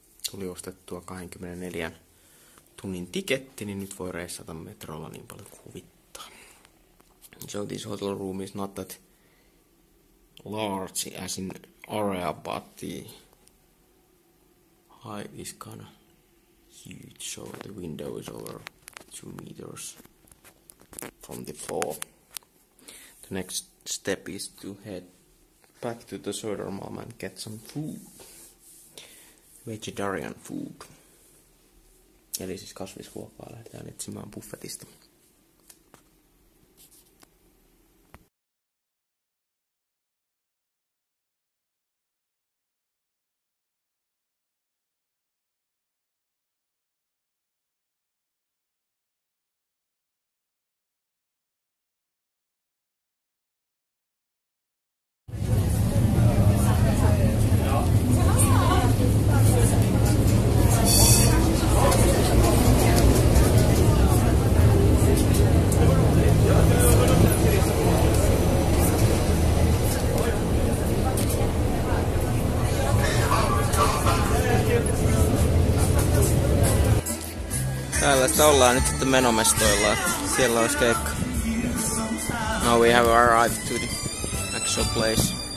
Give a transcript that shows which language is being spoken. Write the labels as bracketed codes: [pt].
[fi] Tuli ostettua 24 tunnin tiketti, niin nyt voi reissata metrolla niin paljon kuin huvittaa. [en] So this hotel room is not that large as in area, but the height is kind of huge, so the window is over 2 meters from the floor. The next step is to head back to the Södermalm and get some food. Vegetarian food. [fi] Eli siis kasvisruokaa lähdetään etsimään buffetista. Tällaista ollaan nyt sitten menomestoilla, siellä olisi keikka. [en] Now we have arrived to the actual place.